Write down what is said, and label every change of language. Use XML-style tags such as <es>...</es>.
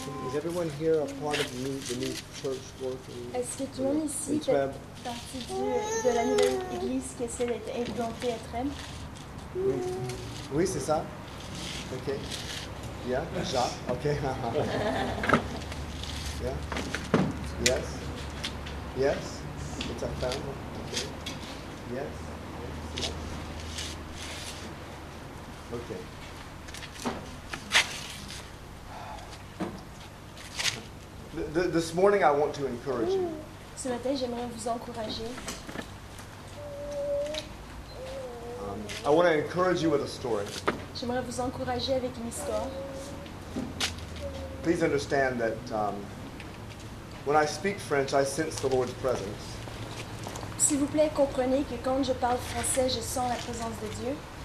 <en>Is everyone here a part of the new church work?</en> <fr>Est-ce que tout le monde ici fait partie de la nouvelle église qui essaie d'être implantée à Trèbes? Oui, c'est ça. Ok. Yeah, déjà. Ok.</fr> <en>Yeah. Yes. Yes. It's a family. Ok. Yes. Ok. This morning I want to encourage you.</en> <fr>Ce matin, j'aimerais vous encourager.</fr> <en>I want to encourage you with a story.</en> <fr>J'aimerais vous encourager avec une histoire.</fr> <en>Please understand that when I speak French, I sense the Lord's presence.</en> <fr>S'il vous plaît, comprenez que quand je parle français, je sens la présence de Dieu.</fr>